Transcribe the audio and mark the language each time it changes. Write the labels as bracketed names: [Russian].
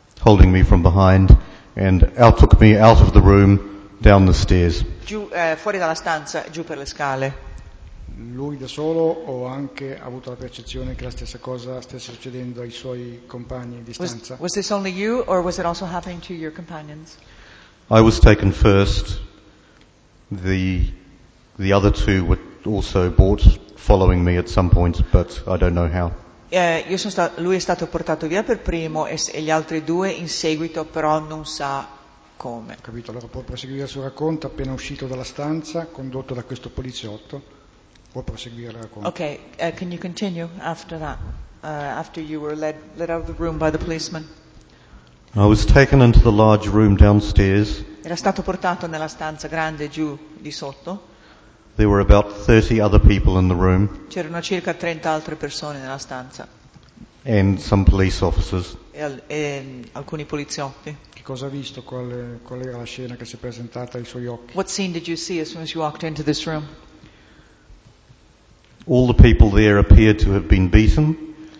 [English] Holding me from behind and took me out of the room, down the stairs. [Italian] Fuori dalla stanza, giù per le scale. Lui da solo o anche ha avuto la percezione che la stessa cosa stesse succedendo ai suoi compagni di stanza? [English] Was this only you or was it also happening to your companions? I was taken first. The other two were also brought following me at some point, but I don't know how. [Italian] Lui è stato portato via per primo e gli altri due in seguito, però non sa come. Ho capito, allora può proseguire il suo racconto appena uscito dalla stanza, condotto da questo poliziotto. Può proseguire il racconto. [English] Ok, can you continue after that? After you were led out of the room by the policeman? I was taken into the large room downstairs. [Italian] Era stato portato nella stanza grande giù di sotto. [English] There were about 30 other people in the room. [Italian] C'erano circa 30 altre persone nella stanza. [English] And some police officers. [Italian] E alcuni poliziotti. Che cosa ha visto? Qual era la scena che si è presentata ai suoi occhi? [English] What scene did you see as soon as you walked into this room? All the people there appeared to have been beaten.